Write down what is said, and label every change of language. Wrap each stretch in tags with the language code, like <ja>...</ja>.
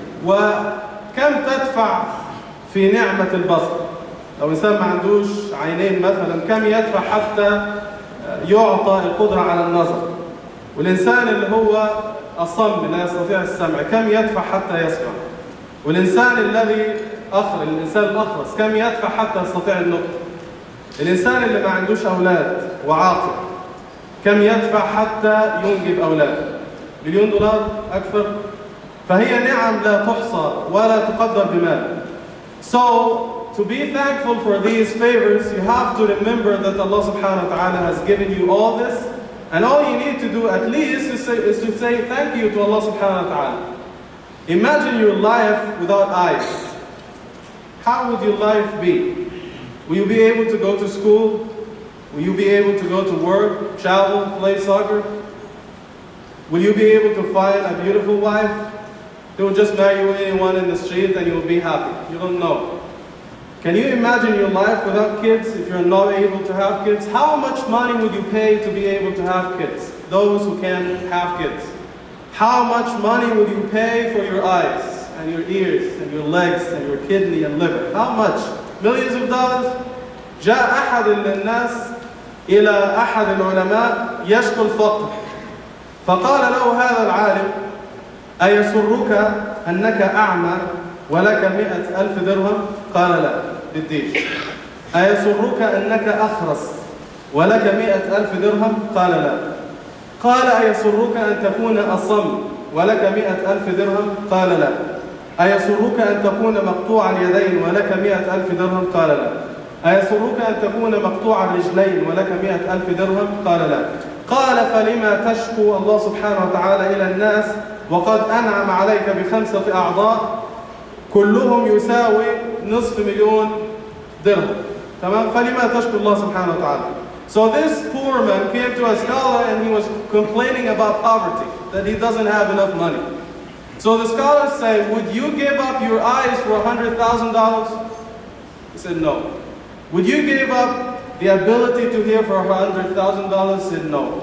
<ar>وكم تدفع في نعمة البصر؟ لو إنسان ما عندوش عينين مثلا، كم يدفع حتى يعطى القدرة على النظر؟ والإنسان اللي هو أصم لا يستطيع السمع، كم يدفع حتى يسمع؟ والإنسان الذي أخر، الإنسان الأخرس، كم يدفع حتى يستطيع النطق؟ الإنسان اللي ما عندوش أولاد وعاقل، كم يدفع حتى ينجب أولاد؟ مليون دولار أكثر؟ فهي نعم لا تحصى ولا تقدر بمال.</ar> <en>So to be thankful for these favors, you have to remember that Allah سبحانه وتعالى has given you all this, and all you need to do at least is to say thank you to Allah سبحانه وتعالى. Imagine your life without eyes. How would your life be? Will you be able to go to school? Will you be able to go to work, travel, play soccer? Will you be able to find a beautiful wife? They will just marry anyone in the street and you will be happy. You don't know. Can you imagine your life without kids if you're not able to have kids? How much money would you pay to be able to have kids? Those who can have kids. How much money would you pay for your eyes? And your ears and your legs and your kidney and liver. How much? Millions of dollars?</en> <ar>جاء أحد الناس إلى أحد العلماء يشكو الفقر. فقال له هذا العالم: أيسرك أنك أعمى ولك 100,000 درهم؟ قال: لا بديش. أيسرك أنك أخرس ولك 100,000 درهم؟ قال: لا. قال: أيسرك أن تكون أصم ولك 100,000 درهم؟ قال: لا. أيسرك أن تكون مقطوع اليدين ولك 100,000 درهم؟ قال: لا. أيسرك أن تكون مقطوع الرجلين ولك 100,000 درهم؟ قال: لا. قال: فلما تشكو الله سبحانه وتعالى إلى الناس وقد أنعم عليك بخمسة أعضاء كلهم يساوي 500,000 درهم؟ تمام؟ فلما تشكو الله سبحانه وتعالى.</ar> <en>So this poor man came to a scholar and he was complaining about poverty, that he doesn't have enough money. So the scholars say, would you give up your eyes for $100,000? He said, no. Would you give up the ability to hear for $100,000? He said, no.</en>